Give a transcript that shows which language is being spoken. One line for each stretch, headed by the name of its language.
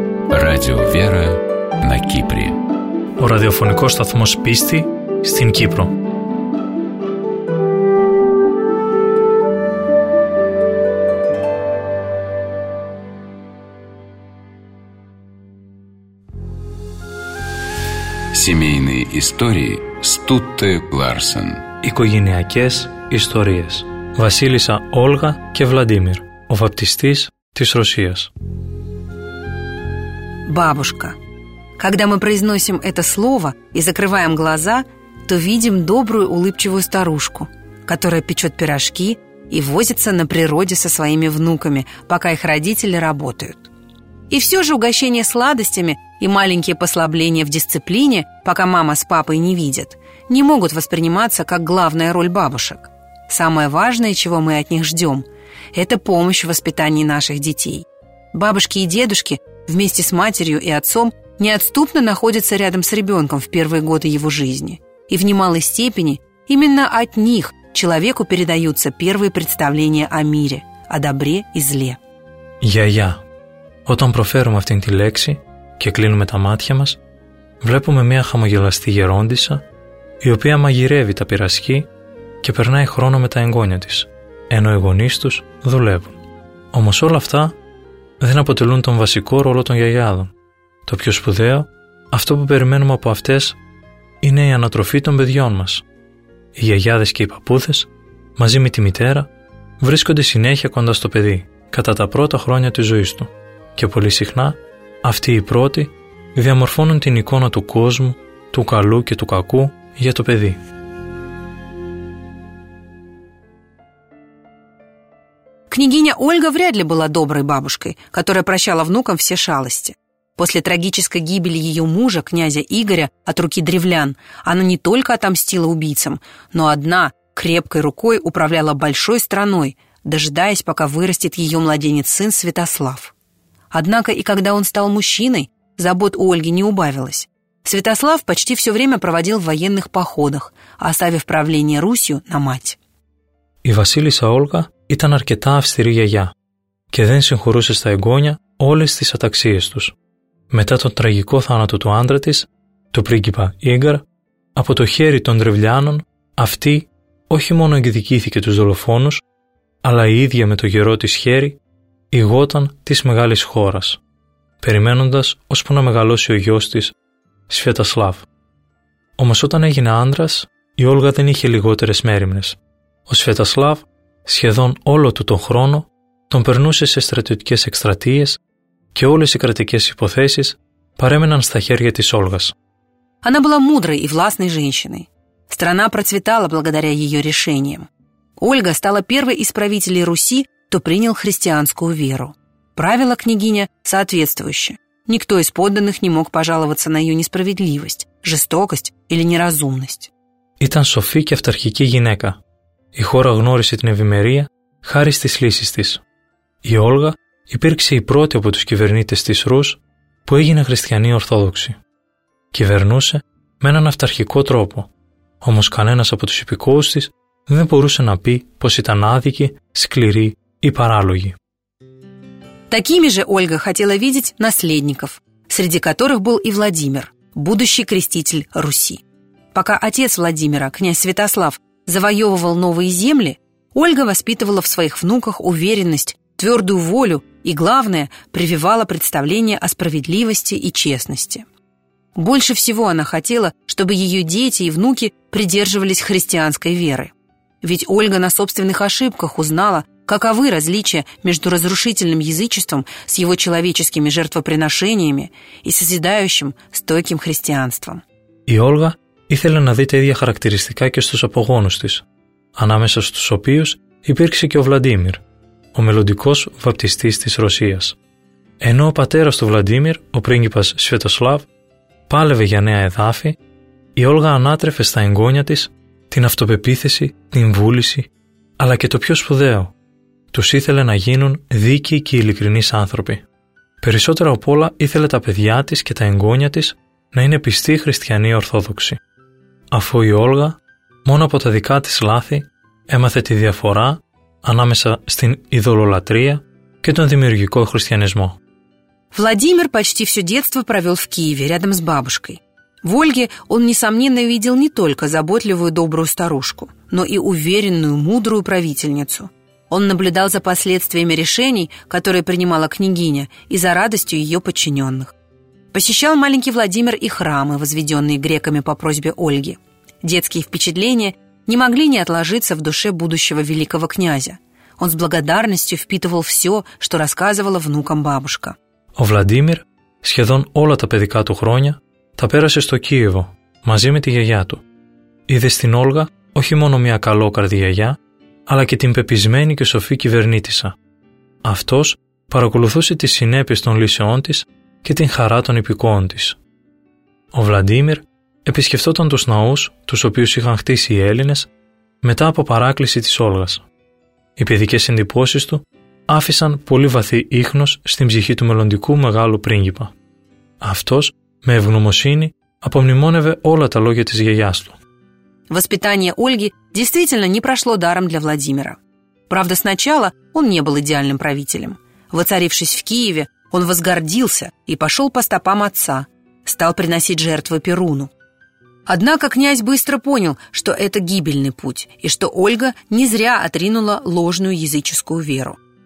Russian: Radio Vera на Кύπρη.
Greek: Ο ραδιοφωνικός σταθμός πίστη στην Κύπρο.
Russian: Семейные истории Стутте Ларсен.
Greek: Οικογενειακές ιστορίες. Βασίλισσα Όλγα και Βλαντίμιρ. Ο βαπτιστής της Ρωσίας.
Russian: Бабушка. Когда мы произносим это слово и закрываем глаза, то видим добрую улыбчивую старушку, которая печет пирожки и возится на природе со своими внуками, пока их родители работают. И все же угощение сладостями и маленькие послабления в дисциплине, пока мама с папой не видят, не могут восприниматься как главная роль бабушек. Самое важное, чего мы от них ждем, это помощь в воспитании наших детей. Бабушки и дедушки вместе с матерью и отцом неотступно находятся рядом с ребенком в первые годы его жизни. И в немалой степени именно от них человеку передаются первые представления о мире, о добре и зле. Я-я.
Greek: Όταν προφέρουμε αυτήν τη λέξη και κλείνουμε τα μάτια μας, βλέπουμε μια χαμογελαστή γερόντισσα η οποία μαγειρεύει τα πυρασκή και περνάει χρόνο με τα εγγόνια της, ενώ οι γονείς τους δουλεύουν. Όμως όλα αυτά δεν αποτελούν τον βασικό ρόλο των γιαγιάδων. Το πιο σπουδαίο, αυτό που περιμένουμε από αυτές, είναι η ανατροφή των παιδιών μας. Οι γιαγιάδες και οι παππούδες, μαζί με τη μητέρα, βρίσκονται συνέχεια κοντά στο παιδί κατά τα πρώτα χρόνια της ζωής του. Και πολύ συχνά αυτοί οι πρώτοι διαμορφώνουν την εικόνα του κόσμου, του καλού και του κακού για το παιδί.
Russian: Княгиня Ольга вряд ли была доброй бабушкой, которая прощала внукам все шалости. После трагической гибели ее мужа, князя Игоря, от руки древлян, она не только отомстила убийцам, но одна крепкой рукой управляла большой страной, дожидаясь, пока вырастет ее младенец-сын Святослав. Однако и когда он стал мужчиной, забот у Ольги не убавилось. Святослав почти все время проводил в военных походах, оставив правление Русью на мать.
Greek: Η Βασίλισσα Όλγα ήταν αρκετά αυστηρή γιαγιά και δεν συγχωρούσε στα εγγόνια όλες τις αταξίες τους. Μετά τον τραγικό θάνατο του άντρα της, του πρίγκιπα Ίγκαρ, από το χέρι των Τρευλιάνων, αυτή όχι μόνο εκδικήθηκε τους δολοφόνους, αλλά η ίδια με το γερό της χέρι ηγόταν της μεγάλης χώρας, περιμένοντας ώσπου να μεγαλώσει ο γιος της, Σφιατασλάβ. Όμως όταν έγινε άντρας, η Όλγα δεν είχε λιγότερες μέρημνες. Ο Σφιατασλάβ, σχεδόν όλο του τον χρόνο, τον περνούσε σε στρατιωτικές εκστρατείες και όλες οι κρατικές υποθέσεις παρέμεναν στα χέρια της Όλγας.
Russian: Она была мудрой и властной женщиной. Страна процветала благодаря ее решениям. Ольга стала первой из правителей Руси, кто принял христианскую веру. Правила княгиня соответствующие. Никто из подданных не мог пожаловаться на ее несправедливость, жестокость или неразумность.
Greek: Ήταν σοφή και αυταρχική γυναίκα. Η χώρα γνώρισε την ευημερία χάρη στις λύσεις της. Η Όλγα υπήρξε η πρώτη από τους κυβερνήτες της Ρους που έγινε χριστιανή ορθόδοξη. κυβερνούσε με έναν αυταρχικό τρόπο. Όμως κανένας από τους υπηκόους της δεν μπορούσε να πει πως ήταν άδικη, σκληρή ή παράλογη.
Russian: Такими же Ольга хотела видеть наследников, среди которых был и Владимир, будущий креститель Руси. Пока отец Владимира, князь Святослав, завоевывал новые земли, Ольга воспитывала в своих внуках уверенность, твердую волю и, главное, прививала представление о справедливости и честности. Больше всего она хотела, чтобы ее дети и внуки придерживались христианской веры. Ведь Ольга на собственных ошибках узнала, каковы различия между разрушительным язычеством с его человеческими жертвоприношениями и созидающим стойким христианством. И Ольга
Greek: ήθελε να δει τα ίδια χαρακτηριστικά και στους απογόνους της, ανάμεσα στους οποίους υπήρξε και ο Βλαντίμιρ, ο μελλοντικός βαπτιστής της Ρωσίας. Ενώ ο πατέρας του Βλαντίμιρ, ο πρίγκιπας Σβετοσλάβ, πάλευε για νέα εδάφη, η Όλγα ανάτρεφε στα εγγόνια της την αυτοπεποίθηση, την βούληση, αλλά και το πιο σπουδαίο. Τους ήθελε να γίνουν δίκαιοι και ειλικρινείς άνθρωποι. Περισσότερα απ' όλα ήθελε τα παιδιά της και τα εγγόνια της να είναι πιστοί χριστιανοί ορθόδοξοι, αφού η Όλγα μόνο από τα δικά της λάθη έμαθε τη διαφορά ανάμεσα στην ειδωλολατρεία και τον δημιουργικό χριστιανισμό.
Russian: Владимир почти все детство провел в Киеве рядом с бабушкой. В Ольге он, несомненно, видел не только заботливую добрую старушку, но и уверенную, мудрую правительницу. Он наблюдал за последствиями решений, которые принимала княгиня, и за радостью ее подчиненных. Посещал маленький Владимир и храмы, возведенные греками по просьбе Ольги. Детские впечатления не могли не отложиться в душе будущего великого князя. Он с благодарностью впитывал все, что рассказывала внукам бабушка.
Greek: Ο Βλαντίμιρ σχεδόν όλα τα παιδικά του χρόνια τα πέρασε στο Κίεβο μαζί με τη γιαγιά του. Είδε στην Όλγα όχι μόνο μια καλόκαρδη γιαγιά, αλλά και την πεπισμένη και σοφή κυβερνήτησα. Αυτός παρακολουθούσε τις συνέπειες των λύσεών της και την χαρά των υπηκόων της. Ο Βλαντίμιρ επισκεφτόταν τους ναούς, τους οποίους είχαν χτίσει οι Έλληνες, μετά από παράκληση της Όλγας. Οι παιδικές εντυπώσεις του άφησαν πολύ βαθύ ίχνος στην ψυχή του μελλοντικού μεγάλου πρίγκιπα. Αυτός, με ευγνωμοσύνη, απομνημόνευε όλα τα λόγια της γιαγιάς του.
Russian: Воспитание Ольги действительно не прошло даром для Владимира. Правда, сначала он не был идеальным правителем. Воцарившись в Киеве, он возгордился и пошел по стопам отца, стал приносить жертвы Перуну. Однако князь быстро понял, что это гибельный путь и что Ольга не зря отринула ложную языческую веру.